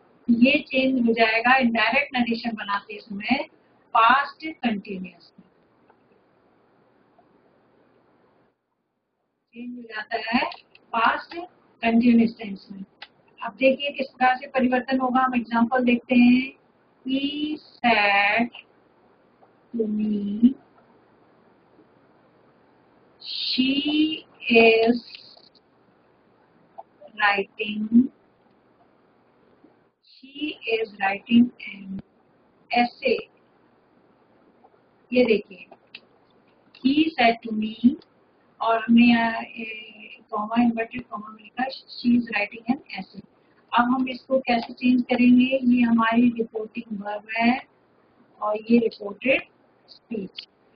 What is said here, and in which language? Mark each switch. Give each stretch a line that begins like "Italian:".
Hindi: ये चेंज हो जाएगा इनडायरेक्ट नरेशन बनाते समय पास्ट कंटिन्यूअस में चेंज हो जाता है पास्ट कंटिन्यूअस टेंस में. अब देखिए किस प्रकार से परिवर्तन होगा, हम एग्जांपल देखते हैं.
English: He said to me she is writing an essay.
Hindi: ये देखिए
English: he said to me
Hindi: और हमने कॉमा इन्वर्टेड कॉमा में लिखा
English: She is writing an essay.
Hindi: अब हम इसको कैसे चेंज करेंगे? ये हमारी रिपोर्टिंग वर्ब है और ये रिपोर्टेड स्पीच.